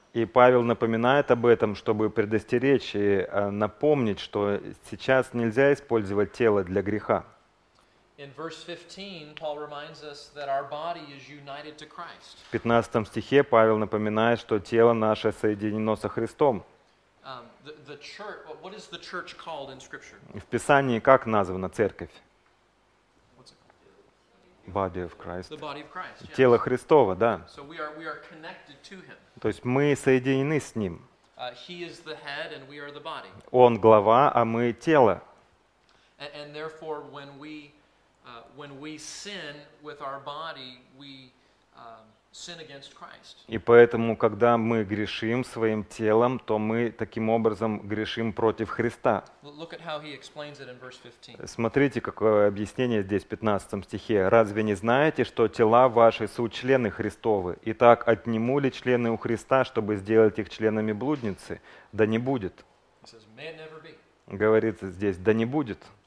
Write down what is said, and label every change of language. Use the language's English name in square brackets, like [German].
[Russian] И Павел напоминает об этом, чтобы предостеречь и напомнить, что сейчас нельзя использовать тело для греха. [English] In verse 15, Paul reminds us that our body is united to Christ. [Russian] В 15 стихе Павел напоминает, что тело наше соединено со Христом. [English] The church, what is the church called in Scripture? [Russian] В Писании как названа церковь? [English] What's it called? Body of Christ. The body of Christ. Yes. [Russian] Тело Христово, да. [English] So we are connected to Him. [Russian] То есть мы соединены с Ним. [English] He is the head, and we are the body. [Russian] Он глава, а мы тело. [English] And therefore, when we sin with our body, we sin against Christ. [Russian] И поэтому, когда мы грешим своим телом, то мы таким образом грешим против Христа. [English] Look at how he explains it in verse 15. [Russian] Смотрите, какое объяснение здесь в 15 стихе. Разве не знаете, что тела ваши суть члены Христовы? Итак, отниму ли члены у Христа, чтобы сделать их членами блудницы? Да не будет. [English] He says, may it never be. [Russian] Говорится здесь, да не будет.